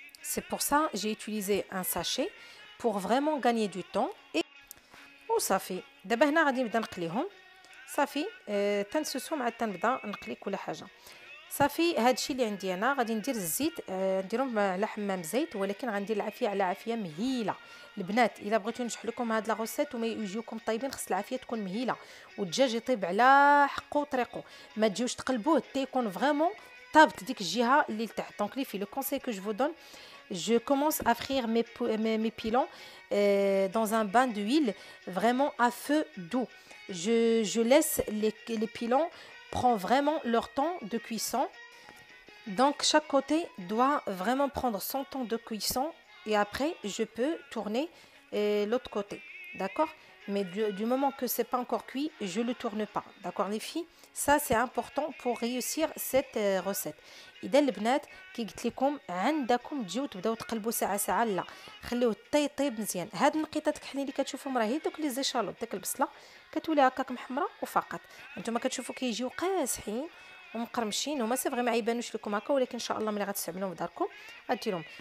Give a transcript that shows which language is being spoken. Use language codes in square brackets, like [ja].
[fr] C'est pour ça j'ai utilisé un sachet pour vraiment gagner du temps et oh, ça fait. [ar] دابا هنا غادي نبدا نقليهم. صافي تنسوسو مع تنبدا نقلي كل حاجه صافي. هادشي اللي عندي انا غادي ندير الزيت نديرهم على حمام زيت، ولكن غندير العافيه على عافيه مهيله. البنات الا بغيتو ينجح لكم هاد لا غوسيت وما يجيوكم طيبين خص العافيه تكون مهيله والدجاج يطيب على حقه وطريقه، ما تجيوش تقلبوه حتى يكون فريمون تا طابت ديك الجهه اللي لتحت. [fr] دونك لي في لو كونساي كو جو دون Je commence à frire mes pilons dans un bain d'huile vraiment à feu doux. Je laisse les pilons prendre vraiment leur temps de cuisson. Donc chaque côté doit vraiment prendre son temps de cuisson et après je peux tourner l'autre côté. D'accord ? Mais du moment que c'est pas encore cuit, je le tourne pas. D'accord les filles ? Ça c'est important pour réussir cette recette. [ar] اذا البنات كي قلت لكم عندكم تجيو تبداو تقلبوا ساعه ساعه لا خليوه طيب مزيان. هاد النقيطه الكحلي اللي كتشوفوا راه هي دوك لي زيشالوط داك البصله كتولي هكاك محمره وفقط. انتما كتشوفوا كيجيو قاسحين ومقرمشين وما سي فريمون عيبانوش لكم هكا، ولكن ان شاء الله ملي غتستعملوهم في داركم غديرهم.